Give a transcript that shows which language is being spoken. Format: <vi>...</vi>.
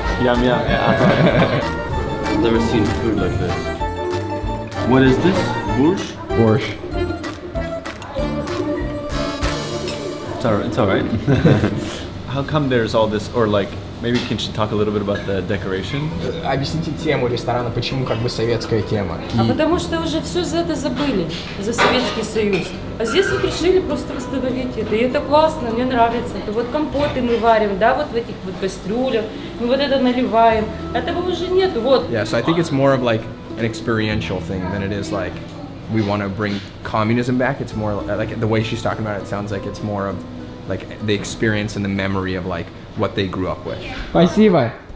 <en>Yum yum, yeah. I've never seen food like this. What is this? Borscht? Borscht. It's all right. How come there's all this, or like, maybe can you talk a little bit about the decoration?</en> <ru>Объясните тему ресторана, почему как бы советская тема. А потому что уже все за это забыли, за Советский Союз. А здесь вот решили просто восстановить это. И это классно, мне нравится. Это вот компоты мы варим, да, вот в этих вот кастрюлях. Мы вот это наливаем. Этого уже нет, вот.</ru> <en>Yeah, so I think it's more of like an experiential thing than it is like we want to bring communism back. It's more like the way she's talking about it, it sounds like it's more of like the experience and the memory of like what they grew up with.</en> <ru>Спасибо.</ru>